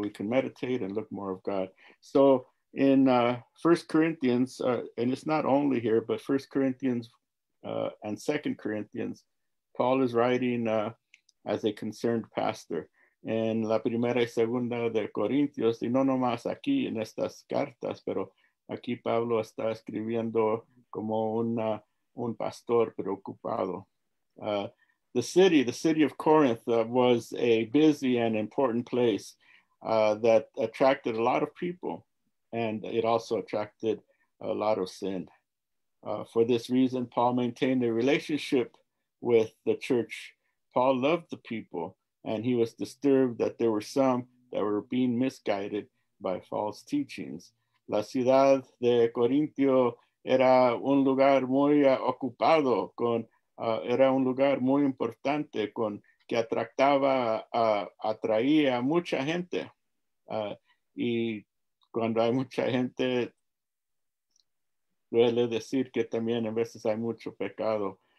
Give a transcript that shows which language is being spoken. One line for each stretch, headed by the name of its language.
English: So we can meditate and look more of God. So in 1 Corinthians, and it's not only here, but 1 Corinthians and 2 Corinthians, Paul is writing as a concerned pastor.
Spanish: En la primera y segunda de Corintios, y no nomás aquí en estas cartas, pero aquí Pablo está escribiendo como un pastor preocupado.
English: The city of Corinth was a busy and important place that attracted a lot of people, and it also attracted a lot of sin. For this reason, Paul maintained a relationship with the church. Paul loved the people. And he was disturbed that there were some that were being misguided by false teachings.
Spanish: La ciudad de Corinto era un lugar muy ocupado, era un lugar muy importante, que atraía mucha gente. Y cuando hay mucha gente, duele decir que también a veces hay mucho pecado.